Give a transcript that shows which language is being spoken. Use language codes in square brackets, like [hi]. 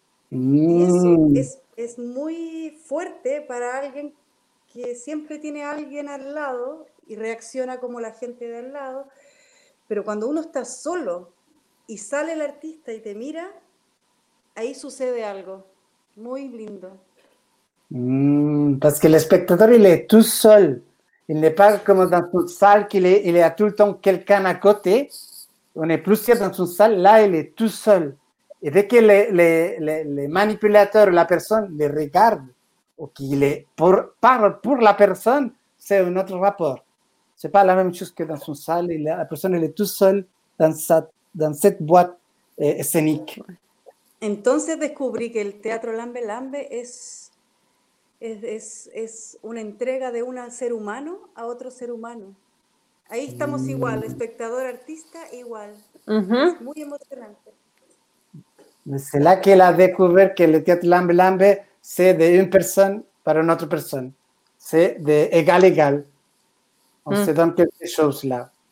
[es] Y eso es muy fuerte para alguien que siempre tiene a alguien al lado y reacciona como la gente de al lado. Pero cuando uno está solo y sale el artista y te mira, ahí sucede algo muy lindo. [fr] Parce que l'spectateur il est tout seul, il n'est pas comme dans une salle qu'il a tout le temps quelqu'un à côté. On est plusieurs dans une salle, là il est tout seul. Et dès que les manipulateurs, la personne les regarde ou qu'il est parle pour la personne, c'est un autre rapport. C'est pas la même chose que dans une salle, la personne elle est tout seule dans cette boîte scénique. [es] Entonces descubrí que el teatro Lambe Lambe es una entrega de un ser humano a otro ser humano. Ahí estamos igual, espectador, artista, igual. Es muy emocionante. [fr] C'est là qu'elle a découvert que le théâtre Lambe Lambe, c'est de une personne par une autre personne. C'est de égal égal. On se donne quelque chose là.